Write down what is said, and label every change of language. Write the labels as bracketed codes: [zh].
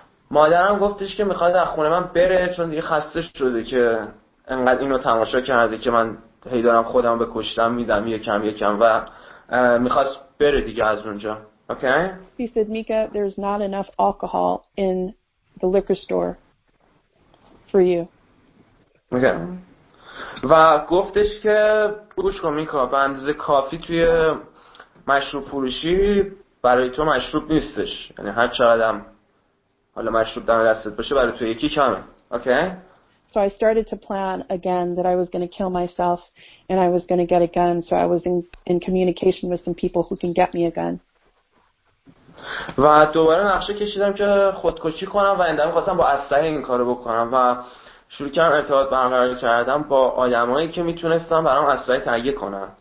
[fa] مادرم گفتش که میخواد از خونه من بره چون دیگه خسته شده که انقدر اینو تماشا کرده که من هی دارم خودم به کشتن میدم یکم و میخواست بره دیگه از اونجا. [en] Okay. He said, Mika, there's not enough alcohol in the liquor store for you. Okay. [fa] و گفتش که گوش کن میکا، به اندازه کافی توی مشروب فروشی برای تو مشروب نیستش، یعنی هر چقدرم حالا مشروب دم دستت باشه برای تو یکی کمه. [en] Okay? So I started to plan again that I was going to kill myself and I was going to get a gun, so I was in communication with some people who can get me a gun. [fa] و دوباره نقشه کشیدم که خودکشی کنم و اندامی خواستم با اسلحه این کارو بکنم و شروع کردم ارتباط برقرار کردم با آدمایی که میتونستم برام اسلحه تهیه کنن.